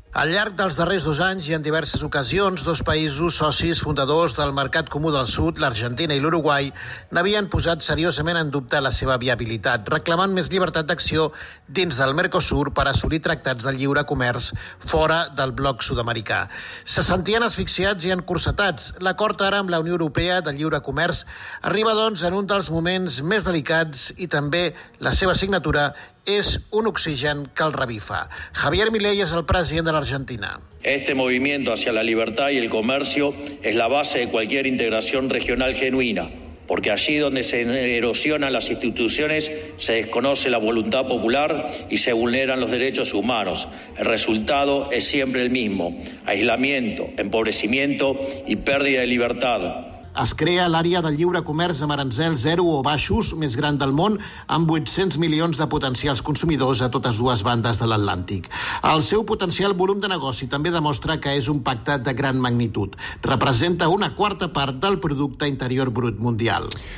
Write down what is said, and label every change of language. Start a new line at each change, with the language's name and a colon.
Catalan: Al llarg dels darrers dos anys i en diverses ocasions, dos països socis fundadors del Mercat Comú del Sud, l'Argentina i l'Uruguai, n'havien posat seriosament en dubte la seva viabilitat, reclamant més llibertat d'acció dins del Mercosur per assolir tractats de lliure comerç fora del bloc sud-americà. Se sentien asfixiats i encorsetats. L'acord ara amb la Unió Europea de lliure comerç arriba, doncs, en un dels moments més delicats i també la seva signatura és un oxigen que el revifa. Javier Milei és el president de l'Argentina.
Spanish: Este movimiento hacia la libertad y el comercio es la base de cualquier integración regional genuina, porque allí donde se erosionan las instituciones se desconoce la voluntad popular y se vulneran los derechos humanos. El resultado es siempre el mismo: aislamiento, empobrecimiento y pérdida de libertad.
Catalan: Es crea l'àrea de lliure comerç amb aranzels zero o baixos més gran del món, amb 800 milions de potencials consumidors a totes dues bandes de l'Atlàntic. El seu potencial volum de negoci també demostra que és un pacte de gran magnitud. Representa una quarta part del producte interior brut mundial.